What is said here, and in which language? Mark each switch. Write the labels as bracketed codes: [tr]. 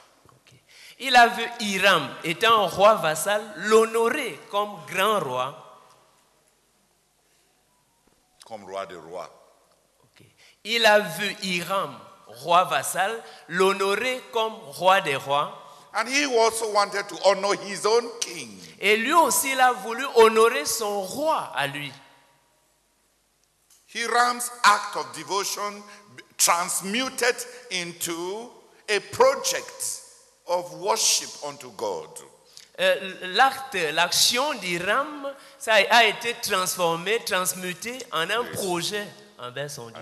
[fr] Okay. Il a vu Hiram étant roi vassal, l'honorer comme grand roi. Comme roi de roi. Okay. Il a vu Hiram, roi vassal, l'honorer comme roi des rois. [en] And he also wanted to honor his own king. [fr] Et lui aussi, il a voulu honorer son roi à lui. [en] Hiram's act of devotion transmuted into a project of worship unto God. [fr] L'acte, l'action d'Hiram, ça a été transformé, transmuté en un projet envers son Dieu.